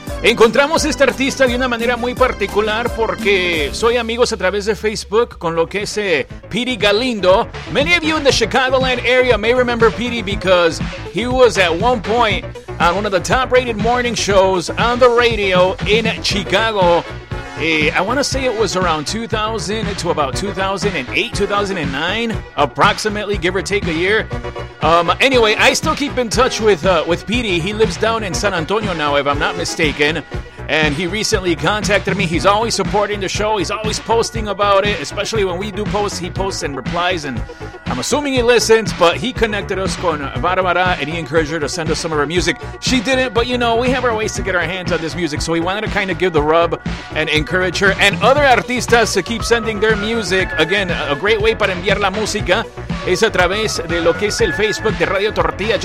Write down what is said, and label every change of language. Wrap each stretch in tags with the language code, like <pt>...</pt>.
<es>Encontramos a este artista de una manera muy particular porque soy amigos a través de Facebook con lo que es Petey Galindo.</es> <en>Many of you in the Chicagoland area may remember Petey because he was at one point on one of the top-rated morning shows on the radio in Chicago. I want to say it was around 2000 to about 2008, 2009, approximately, give or take a year. Anyway, I still keep in touch with Petey. He lives down in San Antonio now, if I'm not mistaken. And he recently contacted me. He's always supporting the show. He's always posting about it, especially when we do posts. He posts and replies, and I'm assuming he listens. But he connected us con Bárbara, and he encouraged her to send us some of her music. She didn't, but, you know, we have our ways to get our hands on this music. So we wanted to kind of give the rub and encourage her and other artistas to keep sending their music. Again, a great way</en> <es>para enviar la música es a través de lo que es el Facebook de Radio Tortilla.</es>